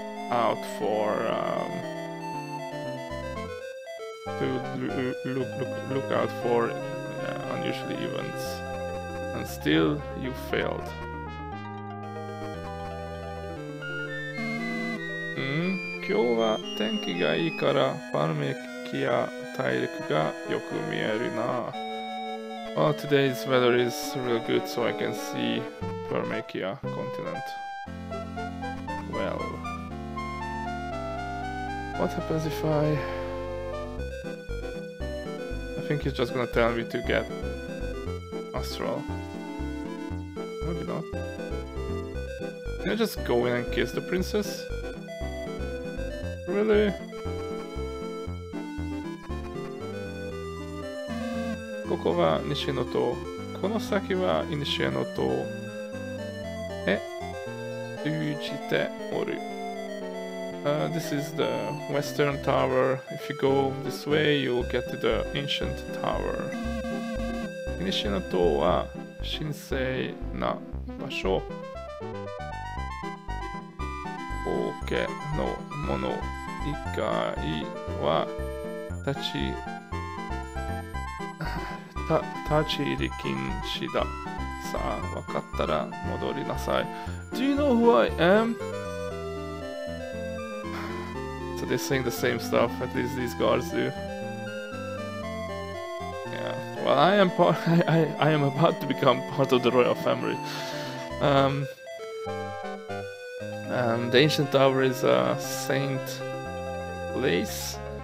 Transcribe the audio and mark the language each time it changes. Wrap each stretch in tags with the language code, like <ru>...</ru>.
<en>Out for to look out for unusual events, and still you failed. Hmm.</en> <ja>今日は天気がいいからパルメキア大陸がよく見えるな。</ja> <en>Well, today's weather is really good, so I can see Parmekia continent. What happens if I think he's just gonna tell me to get Astral. Maybe not. Can I just go in and kiss the princess? Really?</en> <ja>ここは西の塔。この先は西の塔へ通じておる。</ja> <en>This is the Western Tower. If you go this way, you'll get to the Ancient Tower.</en> <ja>西の塔は神聖な場所。王家のもの以外は立ち入り禁止だ。さあ、わかったら戻りなさい。</ja> <en>Do you know who I am? They're saying the same stuff, at least these guards do. Yeah, well, I am about to become part of the royal family. The ancient tower is a saint place.</en>